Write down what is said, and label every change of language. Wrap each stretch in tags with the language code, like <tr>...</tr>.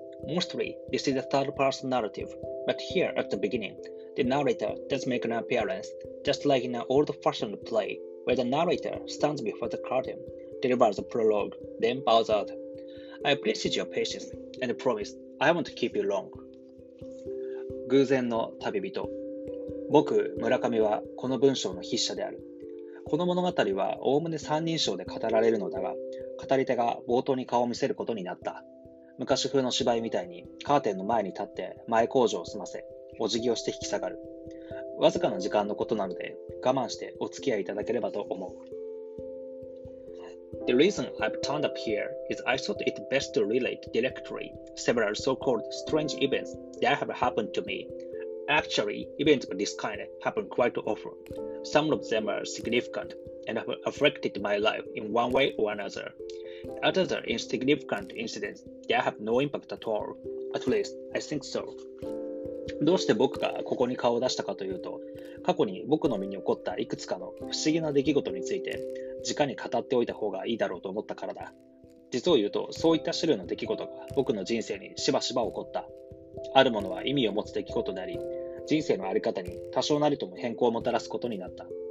<en>Mostly, this is a third-person narrative, but here at the beginning, the narrator does make an appearance, just like in an old-fashioned play, where the narrator stands before the curtain, delivers a prologue, then bows out. I appreciate your patience, and promise I won't keep you long.</en> <ja>偶然の旅人。僕、村上はこの文章の筆者である。この物語はおおむね三人称で語られるのだが、語り手が冒頭に顔を見せることになった。昔風の芝居みたいにカーテンの前に立って前口上を済ませ、お辞儀をして引き下がる。わずかな時間のことなので、我慢してお付き合いいただければと思う。</ja> <en>The reason I've turned up here is I thought it best to relate directly several so-called strange events that have happened to me. Actually, events of this kind happen quite often. Some of them are significant and have affected my life in one way or another. Others are insignificant incidents that have no impact at all. At least, I think so.</en> <ja>どうして僕がここに顔を出したかというと、過去に僕の身に起こったいくつかの不思議な出来事について、直に語っておいた方がいいだろうと思ったからだ。実を言うと、そういった種類の出来事が僕の人生にしばしば起こった。あるものは意味を持つ出来事であり、人生のあり方に多少なりとも変更をもたらすことになった。</ja>